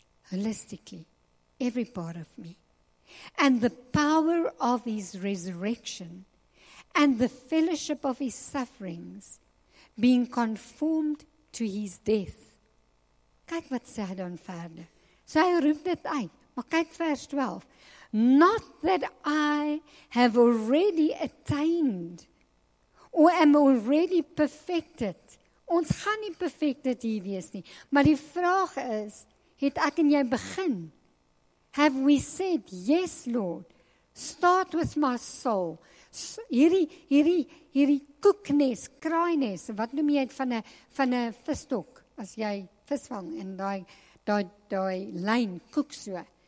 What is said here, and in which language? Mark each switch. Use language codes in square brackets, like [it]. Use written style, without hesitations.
[en] Holistically, every part of me, and the power of his resurrection, and the fellowship of his sufferings, being conformed to his death. [af] Kyk wat sê hy dan verder. So hy roep dit uit, maar kyk vers 12. [en] Not that I have already attained or am already perfected. [af] Ons gaan nie perfected hier wees nie. Maar die vraag is, het ek en jy begin? [en] Have we said, yes Lord, start with my soul. [af] Hierdie koeknes, kraaines, wat noem jy het van a visstok, as jy visvang en die lijn koek so.